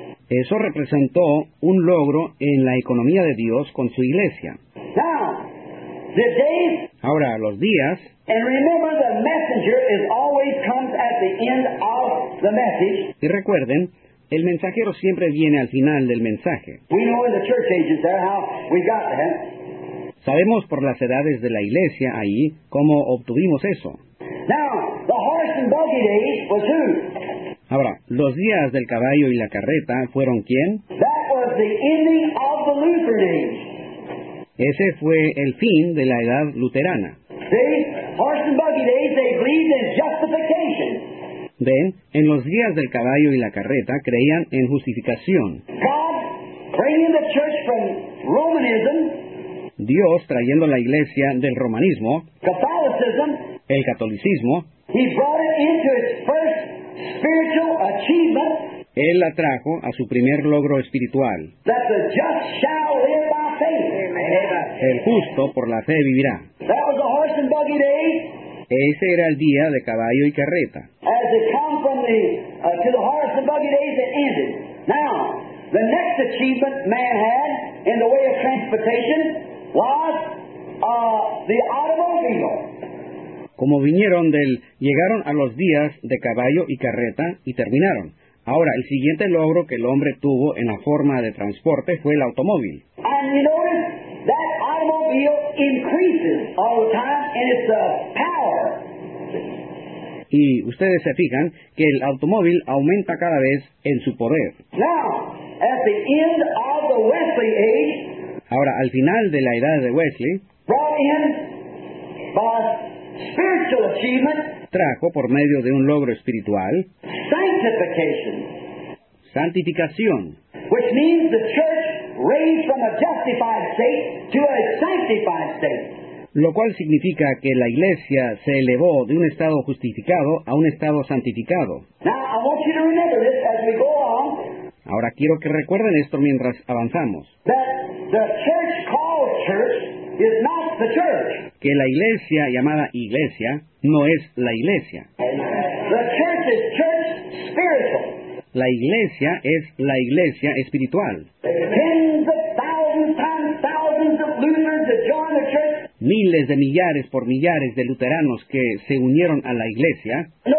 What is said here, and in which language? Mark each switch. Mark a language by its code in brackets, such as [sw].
[es] Eso representó un logro en la economía de Dios con su iglesia. [en] Now, the days, [es] ahora, los días. [en] And remember, the messenger is always comes at the end of the message. [es] Y recuerden, el mensajero siempre viene al final del mensaje. [en] We know in the church ages there how we got that. [es] Sabemos por las edades de la iglesia ahí cómo obtuvimos eso. [en] Now, the horse and buggy days was who? [es] Ahora, los días del caballo y la carreta fueron ¿quién? [en] That was the ending of the Lutheran age. [es] Ese fue el fin de la edad luterana. [en] See, horse and buggy days, they believed in justification. [es] Ven, en los días del caballo y la carreta creían en justificación. [en] God bringing the church from Romanism. [es] Dios trayendo la iglesia del romanismo. [en] Catholicism. [es] El catolicismo. [en] He brought it into its first spiritual achievement. [es] Él la trajo a su primer logro espiritual. [en] That the just shall live by faith. [es] El justo por la fe vivirá. [en] That was a horse and buggy day. [es] Ese era el día de caballo y carreta. [en] As it come from the to the horse and buggy days, it ended. Now, the next achievement man had in the way of transportation was the automobile. [es] Como vinieron del, llegaron a los días de caballo y carreta y terminaron. Ahora, el siguiente logro que el hombre tuvo en la forma de transporte fue el automóvil. [en] And you notice that automobile increases all the time in its power. [es] Y ustedes se fijan que el automóvil aumenta cada vez en su poder. [en] Now, at the end of the Wesley age, [es] ahora, al final de la edad de Wesley, [en] brought in by spiritual achievement, [es] trajo por medio de un logro espiritual. [en] Sanctification. [es] Santificación. [en] Which means the church raised from a justified state to a sanctified state. [es] Lo cual significa que la iglesia se elevó de un estado justificado a un estado santificado. [en] Now, I want you to remember this as we go on. [es] Ahora quiero que recuerden esto mientras avanzamos. [en] That the church called church is not the church. [es] Que la iglesia llamada iglesia no es la iglesia. [en] The church is church spiritual. [es] La iglesia es la iglesia espiritual. [en] Tens of thousands times thousands of Lutherans that joined the church. [es] Miles de millares por millares de luteranos que se unieron a la iglesia.